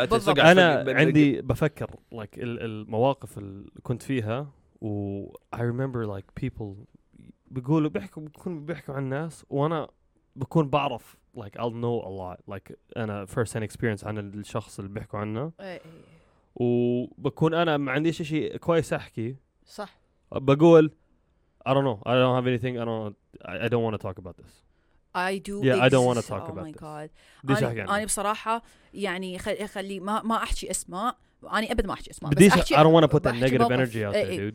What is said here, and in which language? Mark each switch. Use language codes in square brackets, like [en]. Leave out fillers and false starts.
[ar] أنا عندي بفكر like المواقف اللي كنت فيها و I remember like people بيقولوا بيحكوا بيكون بيحكوا عن الناس وأنا بكون بعرف like I'll know a lot like أنا first hand experience عن الشخص اللي بيحكوا عنه وبكون أنا ما عندي شيء كويس أحكي. صح [en] بقول I don't know I don't have anything I don't want to talk about this I do yeah exist. I don't want to talk oh about my God. This [ar] أنا بصراحة يعني خلي ما أحكي أسماء أنا أبد ما أحكي أسماء [en] بس أحكي I don't want to put that negative energy out there dude